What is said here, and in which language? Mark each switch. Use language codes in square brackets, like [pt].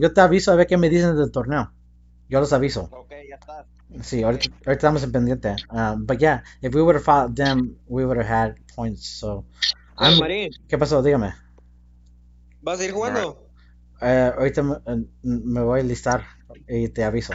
[es] Yo te aviso a ver qué me dicen del torneo. Yo los aviso. Okay, ya está. Sí, ahorita estamos en pendiente. [en] But yeah, if we would have fought them, we would have had points. So, [es] Marín, ¿qué pasó? Dígame. ¿Vas a ir jugando? Ahorita me voy a listar y te aviso.